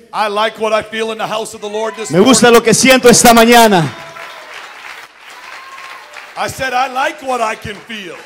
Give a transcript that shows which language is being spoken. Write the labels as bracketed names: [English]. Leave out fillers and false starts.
[English] I like what I feel in the house of the Lord this morning. [Spanish] Me gusta lo que siento esta mañana. [English] I said I like what I can feel.